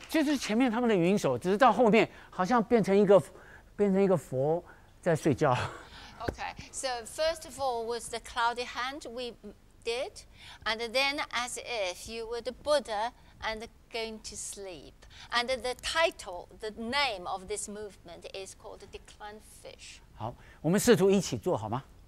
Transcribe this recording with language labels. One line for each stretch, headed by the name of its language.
Chinese: 就是前面他们的云手，只是到后面好像变成一个佛在睡觉。
English: Okay, so first of all was the cloudy hand we did, and then as if you were the Buddha and going to sleep. And the title, the name of this movement is called Decline Fish.
Chinese: 好，我们试图一起做好吗？